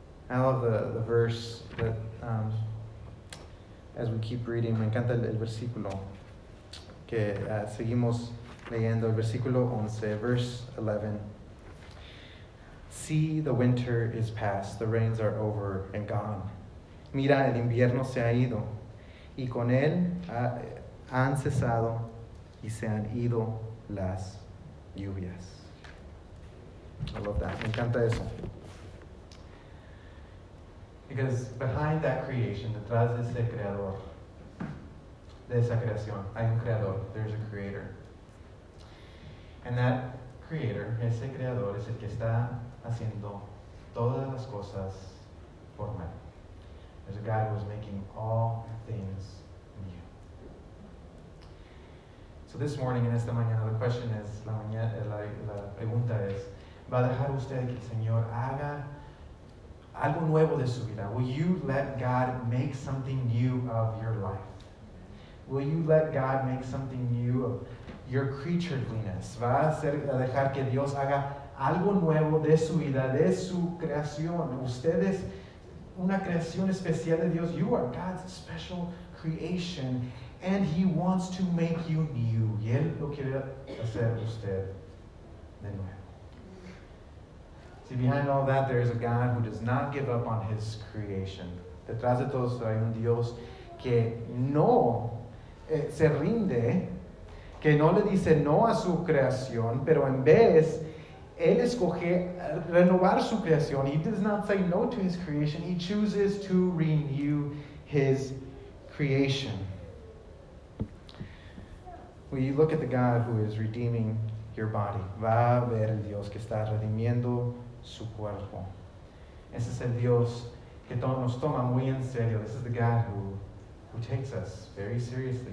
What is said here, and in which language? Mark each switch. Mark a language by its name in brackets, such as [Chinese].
[English] I love the verse that, as we keep reading, [Spanish] me encanta el versículo que seguimos leyendo, el versículo 11, [English] verse 11. See, the winter is past, the rains are over and gone. [Spanish] Mira, el invierno se ha ido, y con él han cesado y se han ido las lluvias. [English] I love that. [Spanish] Me encanta eso. [English] Because behind that creation, [Spanish] detrás de ese creador, de esa creación, hay un creador, [English] there's a creator. And that creator, [Spanish] ese creador, es el que está haciendo todas las cosas por mí. [English] There's a God who is making all things new. So this morning, [Spanish] en esta mañana, [English] the question is, [Spanish] la pregunta es, ¿va a dejar usted que el Señor haga algo nuevo de su vida? [English] Will you let God make something new of your life? Will you let God make something new of your creatureliness? [Spanish] ¿Va a ser a dejar que Dios haga algo nuevo de su vida, de su creación? Usted es una creación especial de Dios. [English] You are God's special creation. And He wants to make you new. [Spanish] Y Él lo quiere hacer usted de nuevo. [English] See, behind all that, there is a God who does not give up on His creation. [Spanish] Detrás de todo eso hay un Dios que no se rinde, que no le dice no a su creación, pero en vez, Él escoge renovar su creación. [English] He does not say no to His creation. He chooses to renew His creation. Will you look at the God who is redeeming your body? [Spanish] Va a ver el Dios que está redimiendo su cuerpo. Ese es el Dios que nos toma muy en serio. [English] This is the God who takes us very seriously.